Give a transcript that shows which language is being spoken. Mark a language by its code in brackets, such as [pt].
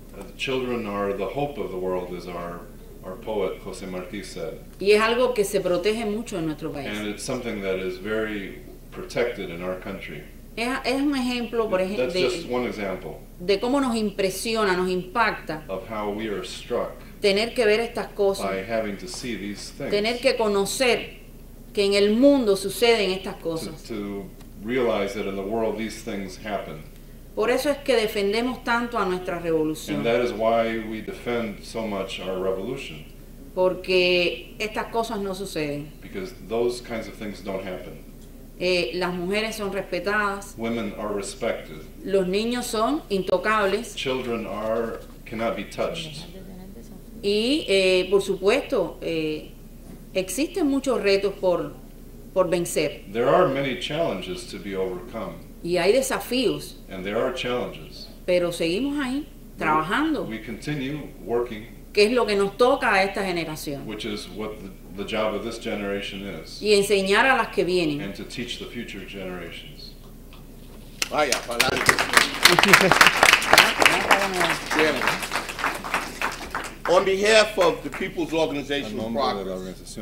[en] The children are the hope of the world, as our poet José Martí said. [es] Y es algo que se protege mucho en nuestro país. [en] And it's something that is very protected in our country. [es] Es un ejemplo, por ejemplo, [en] that's just one example. [es] De cómo nos impresiona, nos impacta. [en] Of how we are struck. [es] Tener que ver estas cosas. [en] By having to see these things. [es] Tener que conocer que en el mundo suceden estas cosas. [en] To realize that in the world these things happen. [es] Por eso es que defendemos tanto a nuestra revolución. [en] And that is why we defend so much our revolution. [es] Porque estas cosas no suceden. [en] Because those kinds of things don't happen. [es] Las mujeres son respetadas. [en] Women are respected. [es] Los niños son intocables. [en] Children are, cannot be touched. [es] Y, por supuesto, existen muchos retos por vencer. [en] There are many challenges to be overcome. [es] Y hay desafíos. [en] And there are challenges. [es] Pero seguimos ahí, trabajando. [en] We continue working. [es] Que es lo que nos toca a esta generación. [en] Which is what the job of this generation is. [es] Y enseñar a las que vienen. [en] And to teach the future generations. [es] Vaya, pa'lante. [en] On behalf of the People's Organization of Progress,